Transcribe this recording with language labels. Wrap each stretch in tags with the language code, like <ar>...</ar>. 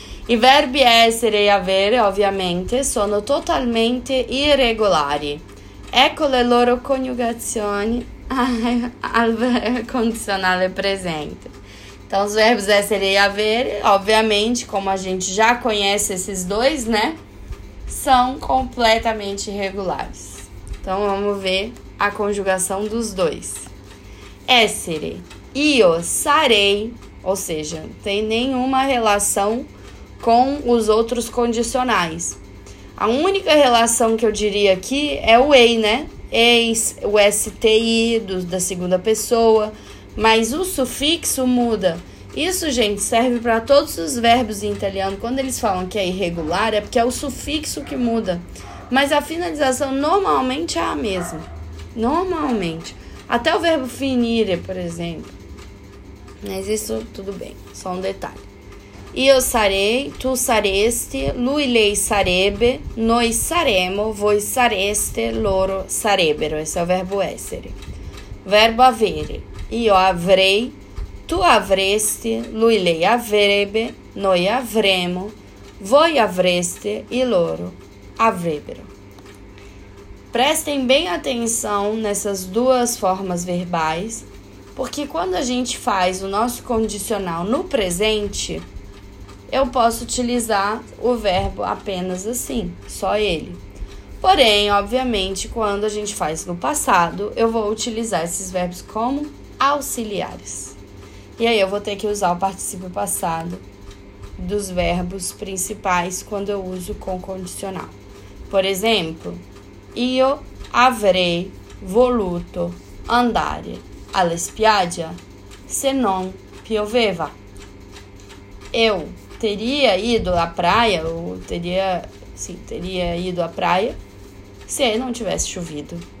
<it>I verbi essere e avere, ovviamente, sono totalmente irregolari. Ecco le loro coniugazioni al condizionale presente.</it> <pt>Então, os verbos essere e avere, ovviamente, como a gente já conhece esses dois, né? São completamente irregulares. Então, vamos ver a conjugação dos dois. Essere. Io sarei, ou seja, não tem nenhuma relação com os outros condicionais. A única relação que eu diria aqui é o ei, né? Eis, o STI da segunda pessoa, mas o sufixo muda. Isso, gente, serve para todos os verbos em italiano. Quando eles falam que é irregular, é porque é o sufixo que muda. Mas a finalização normalmente é a mesma. Normalmente. Até o verbo finire, por exemplo. Mas isso tudo bem, só um detalhe.</pt> <it>Io sarei, tu saresti, lui, lei sarebbe, noi saremo, voi sareste, loro sarebbero.</it> <pt>Esse é o verbo essere.</pt> <it>Verbo avere. Io avrei, tu avresti, lui, lei avrebbe, noi avremo, voi avreste e loro avrebbero.</it> <pt>Prestem bem atenção nessas duas formas verbais, porque quando a gente faz o nosso condicional no presente, eu posso utilizar o verbo apenas assim, só ele. Porém, obviamente, quando a gente faz no passado, eu vou utilizar esses verbos como auxiliares. E aí eu vou ter que usar o particípio passado dos verbos principais quando eu uso com condicional. Por exemplo,</pt> <it>io avrei voluto andare alla spiaggia se non pioveva.</it> <pt>Eu teria ido à praia, ou teria, sim, teria ido à praia se não tivesse chovido.</pt>